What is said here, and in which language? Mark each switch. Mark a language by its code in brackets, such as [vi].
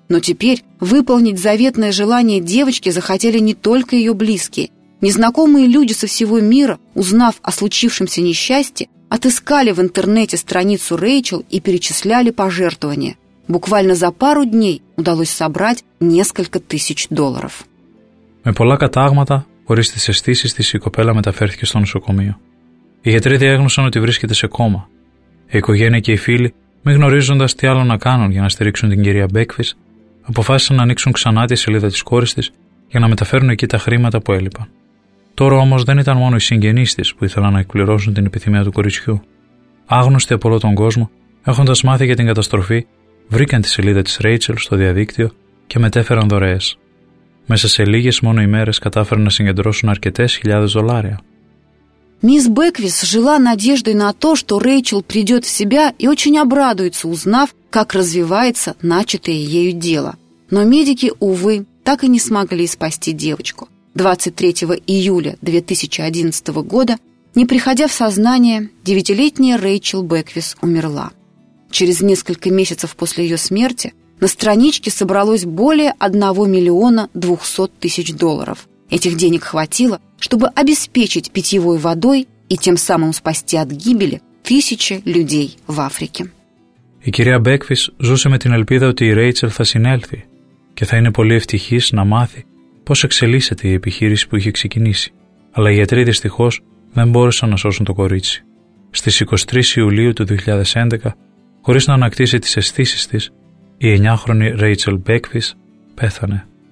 [ru] Но теперь выполнить заветное желание девочки захотели не только ее близкие. Незнакомые люди со всего мира, узнав о случившемся несчастье, отыскали в интернете страницу Рэйчел и перечисляли пожертвования. Буквально за пару дней удалось собрать несколько тысяч долларов. [el] Με πολλά κατάγματα, χωρίς τις αισθήσεις της, η κοπέλα μεταφέρθηκε στο νοσοκομείο. Οι γιατροί διέγνωσαν ότι βρίσκεται σε κόμμα. Η οικογένεια και οι φίλοι, μη γνωρίζοντας τι άλλο να κάνουν για να στηρίξουν την κυρία Μπέκφις, αποφάσισαν να ανοίξουν ξανά τη σελίδα της κόρης της για να μεταφέρουν εκεί τα χρήματα που έλειπαν. Τώρα όμως δεν ήταν μόνο οι συγγενείς της που ήθελαν να εκπληρώσουν την επιθυμία του κοριτσιού. Άγνωστοι από όλο τον κόσμο, έχοντας μάθει για την καταστροφή, βρήκαν τη σελίδα της Ρέιτσελ στο διαδίκτυο και μετέφεραν δωρεές. Μέσα σε λίγες μόνο ημέρες κατάφεραν να συγκεντρώσουν αρκετές χιλιάδες δολάρια. [ru] Μισ Бэквис жила надеждой на то, что Рэйчел придет в себя и очень обрадуется, узнав, как развивается начатое ею дело. Но медики, увы, так и не смогли спасти девочку. 23 июля 2011 года, не приходя в сознание, 9-летняя Рэйчел Бэквис умерла. Через несколько месяцев после ее смерти на страничке собралось более 1 200 000 долларов. Этих денег хватило, чтобы обеспечить питьевой водой и тем самым спасти от гибели тысячи людей в Африке. [el] Η κυρία Μπέκφις ζούσε με την ελπίδα ότι η Ρέιτσελ θα συνέλθει και θα είναι πολύ ευτυχής να μάθει πώς εξελίσσεται η επιχείρηση που είχε ξεκινήσει. Αλλά οι γιατροί δυστυχώς δεν μπόρεσαν να σώσουν το κορίτσι. Στις 23 Ιουλίου του 2011, χωρίς να ανακτήσει τις αισθήσεις της, η 9χρονη Ρέιτσελ Μπέκφις πέθανε.